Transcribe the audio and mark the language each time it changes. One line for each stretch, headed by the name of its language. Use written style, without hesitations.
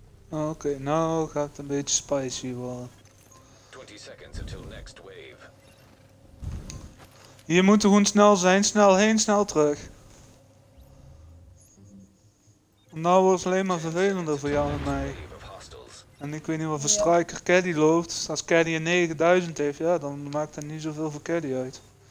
Dutch: Oké, nou gaat het een beetje spicy worden.
English: 20 seconds until next wave.
Dutch: Hier moeten we gewoon snel zijn, snel heen, snel terug. Nou wordt het alleen maar vervelender voor jou en mij. En ik weet niet wat voor Striker Caddy loopt. Als Caddy een 9000 heeft, ja, dan maakt dat niet zoveel voor Caddy uit.